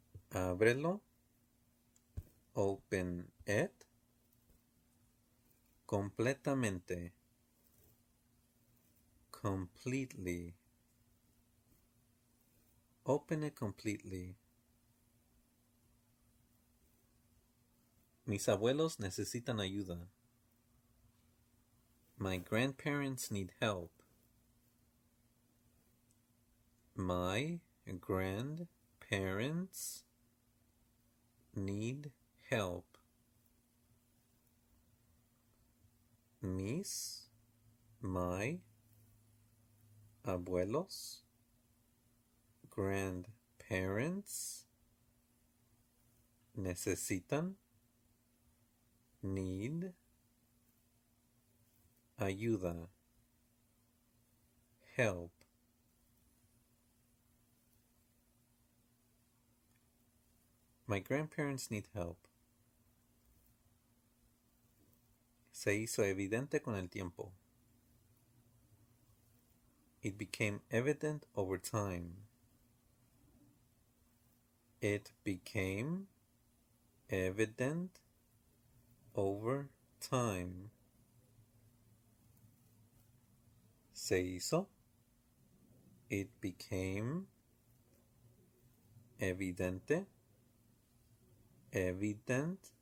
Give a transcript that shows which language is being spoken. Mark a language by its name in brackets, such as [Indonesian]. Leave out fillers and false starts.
[Spanish] Ábrelo. [English] Open it [Spanish] completamente. [English] Completely. Open it completely. [Spanish] Mis abuelos necesitan ayuda. [English] My grandparents need help. My grandparents need help. [Spanish] Mis, [English] my, [Spanish] abuelos, [English] grandparents [Spanish] necesitan, [English] need, [Spanish] ayuda, [English] help. My grandparents need help. [Spanish] Se hizo evidente con el tiempo. [English] It became evident over time. It became evident over time. [Spanish] Se hizo. [English] It became [Spanish] evidente. [English] Evident.